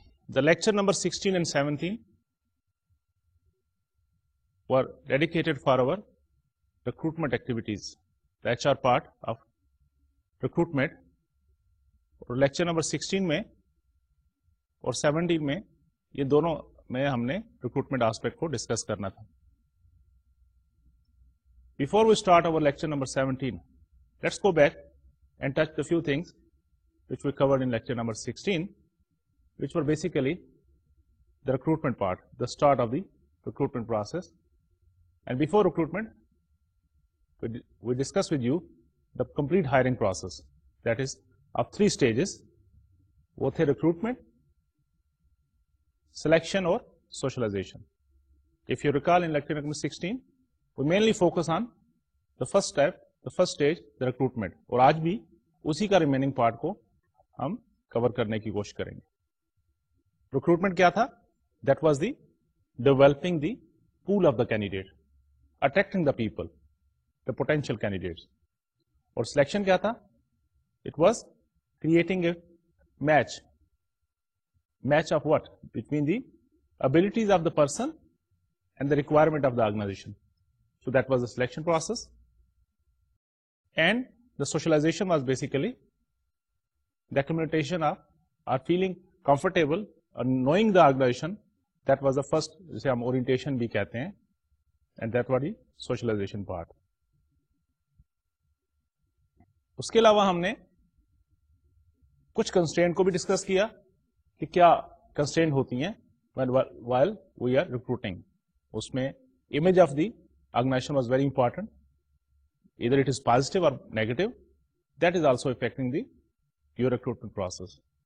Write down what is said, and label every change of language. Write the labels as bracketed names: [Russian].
[English] The lecture number 16 and 17 were dedicated for our recruitment activities, the HR part of recruitment. [Urdu] Lecture number 16 میں اور 17 میں یہ دونوں میں ہم نے ریکروٹمنٹ آسپیکٹ کو ڈسکس کرنا تھا. [English] before we start our lecture number 17 let's go back and touch the few things which we covered in lecture number 16 which were basically the recruitment part the start of the recruitment process and before recruitment we discuss with you the complete hiring process that is of three stages, [Urdu] وہ تھے [English] recruitment, selection اور socialization. If you recall in lecture number 16, we mainly focus on the first step, the first stage, the recruitment. [Urdu] اور آج بھی اسی کا remaining part کو ہم cover کرنے کی کوشش کریں گے. Recruitment کیا تھا؟ [English] That was the developing the pool of the candidate, attracting the people, the potential candidates. [Urdu] اور selection کیا تھا؟ [English] It was creating a match of what between the abilities of the person and the requirement of the organization. So that was the selection process, and the socialization was basically the accumulation of or feeling comfortable or knowing the organization. That was the first, say, orientation [Urdu] bhi kehte hain, [English] and that was the socialization part. [Urdu] Uske alawa humne کچھ constraint کو بھی discuss کیا کہ کیا constraint ہوتی ہیں [English] While we are recruiting. [Urdu] اس میں [English] Image of the organization was very important, either it is positive or negative, that is also affecting the your recruitment process.